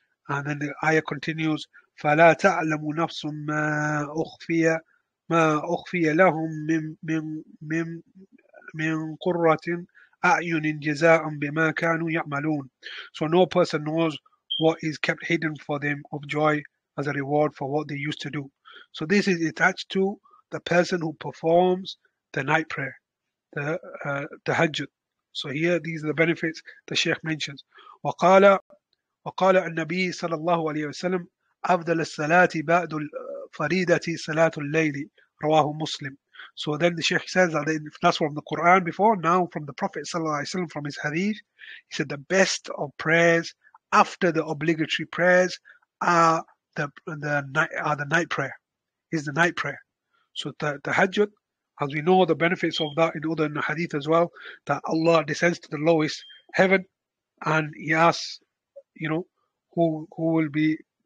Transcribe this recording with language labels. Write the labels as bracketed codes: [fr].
[en] And then the ayah continues, [ar] فَلَا تَعْلَمُ نَفْسٌ مَا أُخْفِيَ لَهُمْ مِنْ قُرَّةٍ أَعْيُنٍ جَزَاءً بِمَا كَانُوا يَعْمَلُونَ. [en] So no person knows what is kept hidden for them of joy as a reward for what they used to do. So this is attached to the person who performs the night prayer, the tahajjud. So here these are the benefits the Shaykh mentions. [ar] وَقَالَ النَّبِيِّ صَلَى اللَّهُ عَلَيْهِ وَسَلَّمَ أفضل الصلاة بعد الفريدة صلاة الليل رواه مسلم. [en] So then the Sheikh says that that's from the Quran before, now from the Prophet sallallahu alaihi wasallam, from his hadith, he said the best of prayers after the obligatory prayers are the night prayer. So the tahajjud, as we know the benefits of that in other hadith as well, that Allah descends to the lowest heaven and he asks, who will be.